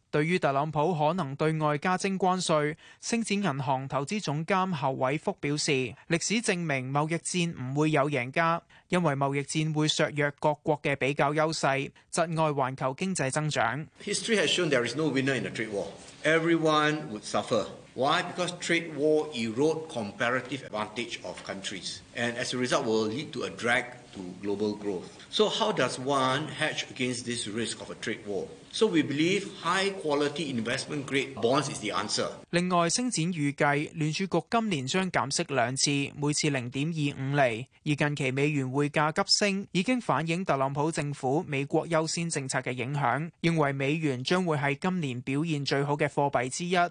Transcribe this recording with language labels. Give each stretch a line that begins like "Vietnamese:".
Cantonese: 对于特朗普可能对外加征关税，星展银行投资总监侯伟福表示，历史证明贸易战不会有赢家，因为贸易战会削弱各国的比较优势，窒碍环球经济增长。
English: History has shown there is no winner in a trade war. Everyone would suffer. Why? Because trade war erode comparative advantage of countries, and as a result will lead to a drag to global growth. So how does one hedge against this risk of a trade war? So we believe high quality investment grade bonds is the answer.
Cantonese: 另外，星展预计联储局今年将减息两次，每次 0.25 厘，而近期美元汇价急升已经反映特朗普政府美国优先政策的影响，认为美元将会是今年表现最好的货币之一。